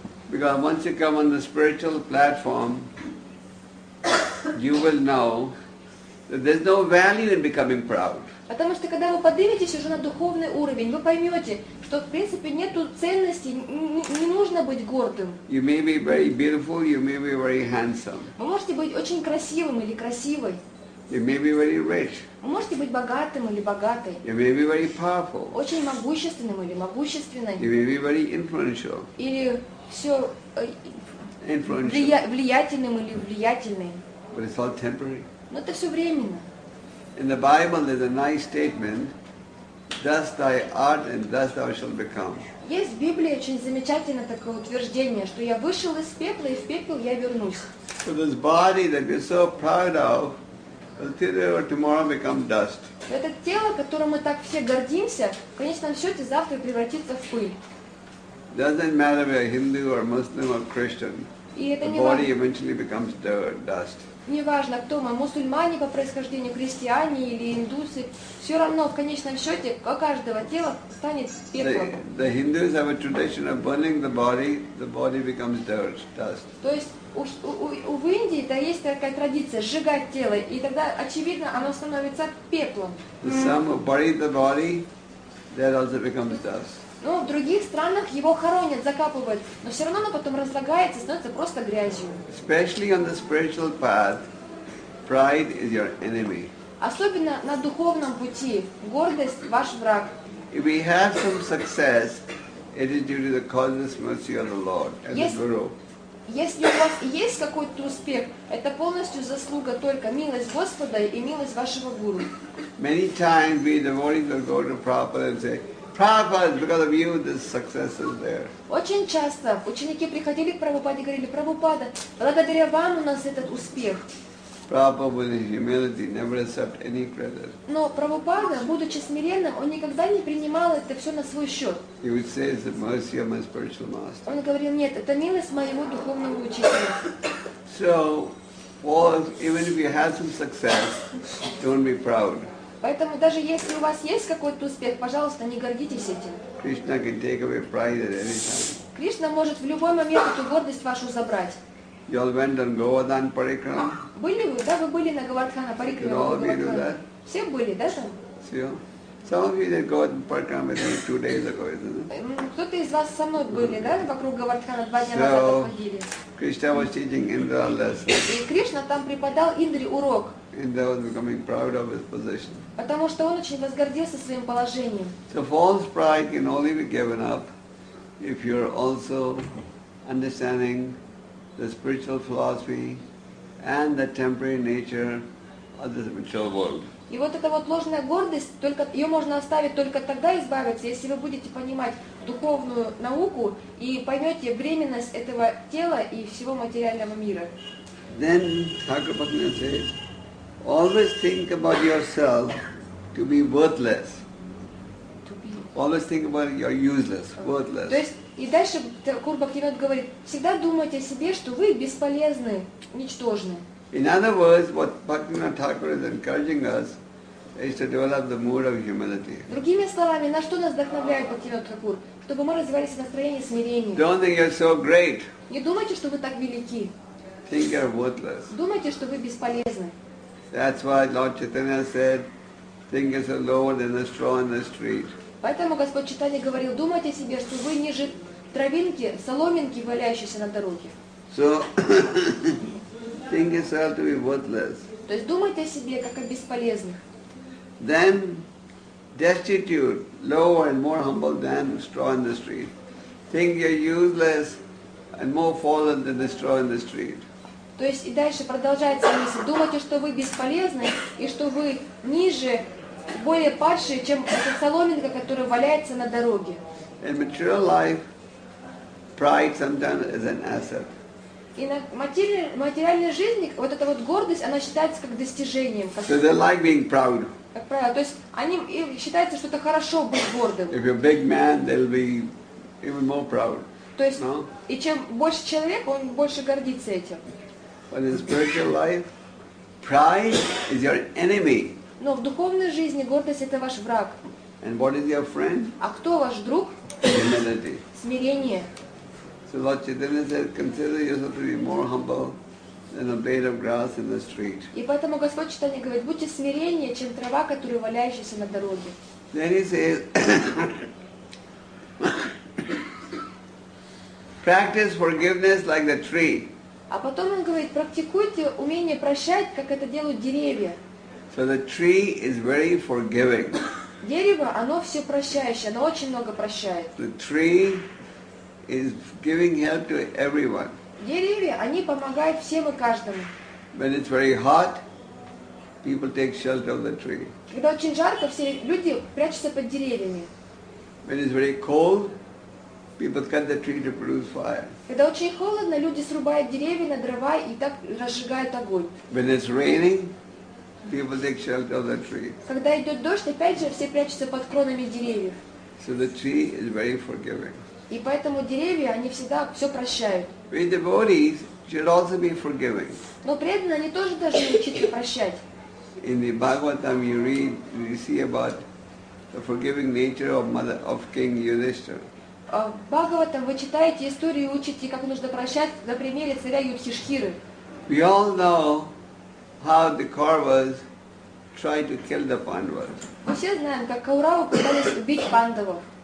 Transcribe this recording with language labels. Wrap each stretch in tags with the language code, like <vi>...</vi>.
<en>Because once you come on the spiritual platform, you will know that there's no value in becoming proud.</en> <ru>Потому что когда вы подниметесь уже на духовный уровень, вы поймете, что в принципе нету ценности, не нужно быть гордым.</ru> <en>You may be very beautiful, you may be very handsome.</en> <ru>Вы можете быть очень красивым или красивой.</ru> <en>You may be very rich.</en> <ru>Вы можете быть богатым или богатой.</ru> <en>You may be very powerful.</en> <ru>Очень могущественным или могущественной.</ru> <en>You may be very influential.</en> <ru>Или все</ru> <en>influential.</en> <ru>Влиятельным или влиятельной.</ru> <en>But it's all temporary.</en> <ru>Но это все временно.</ru> <en>In the Bible, there's a nice statement: "Thus thy art, and thus thou shalt become."</en> <ru>Есть в Библии очень замечательное такое утверждение, что я вышел из пепла и в пепел я вернусь.</ru> <en>So this body that we're so proud of will today or tomorrow become dust.</en> <ru>Это тело, которым мы так все гордимся, в конечном счете завтра превратится в пыль.</ru> <en>Doesn't matter if you're Hindu or Muslim or Christian. The body eventually becomes dust.</en> <ru>Неважно, кто мы, мусульмане по происхождению, христиане или индусы, все равно в конечном счете у каждого тела станет пеплом.</ru> <en>The Hindus have a tradition of burning the body becomes dust.</en> <ru>То есть у в Индии это есть такая традиция сжигать тело, и тогда очевидно, оно становится пеплом.</ru> <en>Some who bury the body, that also becomes dust.</en> <ru>Ну, в других странах его хоронят, закапывают, но все равно оно потом разлагается, становится просто грязью.</ru> <en>Especially on the spiritual path, pride is your enemy.</en> <ru>Особенно на духовном пути гордость ваш враг.</ru> <en>If we have some success, it is due to the causeless mercy of the Lord and the Guru.</en> <ru>Если у вас есть какой-то успех, это полностью заслуга только милость Господа и милость вашего Гуру.</ru> <en>Many times we devotees will go to Prabhupada and say, Prabhupada, because of you, this success is there.</en> <ru>Очень часто ученики приходили к Прабхупаде и говорили, Прабхупада, благодаря вам у нас этот успех.</ru> <en>Prabhupada, with his humility, never accept any credit.</en> <ru>Но Прабхупада, будучи смиренным, он никогда не принимал это все на свой счет.</ru> <en>He would say, it's the mercy of my spiritual master.</en> <ru>Он говорил, нет, это милость моего духовного учителя.</ru> <en>So, well, even if you have some success, don't be proud.</en> <ru>Поэтому даже если у вас есть какой-то успех, пожалуйста, не гордитесь этим.</ru> <en>Krishna can take away pride at any time.</en> <ru>Кришна может в любой момент эту гордость вашу забрать.</ru> <en>You all went on Govardhan Parikrama?</en> <ru>Были вы? Да, вы были на Говардхана Парикрама.</ru> <en>You all been to that?</en> <ru>Все были, да, там? Все.</ru> <en>Some of you did Govardhan Parikrama with me 2 days ago, isn't it?</en> <ru>Кто-то из вас со мной были, да, вокруг Говардхана 2 дня назад ходили.</ru> <en>Krishna was teaching Indra a lesson.</en> <ru>И Кришна там преподал Индре урок.</ru> <en>Indra was becoming proud of his position.</en> <ru>Потому что он очень возгордился своим положением.</ru> <en>So false pride can only be given up if you're also understanding the spiritual philosophy and the temporary nature of the spiritual world.</en> <ru>И вот эта вот ложная гордость, только ее можно оставить только тогда избавиться, если вы будете понимать духовную науку и поймете временность этого тела и всего материального мира.</ru> <en>Then Thakur Bhaktivinoda says, always think about yourself to be worthless. Always think about your useless, worthless.</en> <ru>То есть, и дальше Thakur Bhaktivinoda говорит, всегда думайте о себе, что вы бесполезны, ничтожны.</ru> <en>In other words, what Bhaktivinoda Thakur is encouraging us is to develop the mood of humility.</en> <ru>Другими словами, на что нас вдохновляет Бхактивинода Тхакур? Чтобы мы развивались в настроении смирения.</ru> <en>Don't think you're so great.</en> <ru>Не думайте, что вы так велики.</ru> <en>Think you're worthless.</en> <ru>Думайте, что вы бесполезны.</ru> <en>That's why Lord Chaitanya said, think you're so lower than a straw in the street.</en> <ru>Поэтому Господь Читания говорил, думайте себе, что вы ниже травинки, соломинки, валяющейся на дороге.</ru> <en>So, think yourself to be worthless.</en> <ru>То есть думайте о себе как о бесполезных.</ru> <en>Then destitute, lower and more humble than straw in the street. Think you're useless and more fallen than the straw in the street.</en> <ru>То есть и дальше продолжается мысль. Думайте, что вы бесполезны и что вы ниже, более падшие, чем эта соломинка, которая валяется на дороге.</ru> <en>In material life, pride sometimes is an asset.</en> <ru>И на материальной жизни вот эта вот гордость, она считается как достижением.</ru> <en>So they like being proud.</en> <ru>Как правило, то есть они считается, что это хорошо быть гордым.</ru> <en>If you're a big man, they'll be even more proud.</en> <ru>То есть,</ru> <en>no?</en> <ru>И чем больше человек, он больше гордится этим.</ru> <en>But in spiritual life, pride is your enemy.</en> <ru>Но в духовной жизни гордость – это ваш враг.</ru> <en>And what is your friend?</en> <ru>А кто ваш друг?</ru> <en>Humility.</en> <ru>Смирение.</ru> <en>So Lord Chaitanya said, consider yourself to be more humble than a blade of grass in the street.</en> <ru>И поэтому Господь Читания говорит, будьте смиреннее, чем трава, которая валяющаяся на дороге.</ru> <en>Then he says, practice forgiveness like the tree.</en> <ru>А потом он говорит, практикуйте умение прощать, как это делают деревья.</ru> <en>So the tree is very forgiving.</en> <ru>Дерево, оно все прощающее, оно очень много прощает.</ru> <en>The tree is giving help to everyone.</en> <ru>Деревья, они помогают всем и каждому.</ru> <en>When it's very hot, people take shelter of the tree.</en> <ru>Когда очень жарко, все люди прячутся под деревьями.</ru> <en>When it's very cold, people cut the tree to produce fire.</en> <ru>Когда очень холодно, люди срубают деревья на дрова и так разжигают огонь.</ru> <en>When it's raining, people take shelter of the tree.</en> <ru>Когда идет дождь, опять же все прячутся под кронами деревьев.</ru> <en>So the tree is very forgiving.</en> <ru>И поэтому деревья, они всегда все прощают.</ru> <en>We devotees should also be forgiving.</en> <ru>Но преданные, они тоже должны учиться прощать.</ru> <en>In the Bhagavatam you read, you see about the forgiving nature of mother of King Yudhishthira.</en> <ru>В Бхагаватам вы читаете историю и учите, как нужно прощать на примере царя Юдхиштхиры.</ru> <en>We all know how the Kauravas tried to kill the Pandavas.</en> <ru>Мы все знаем, как Кауравы пытались убить Пандавов.</ru>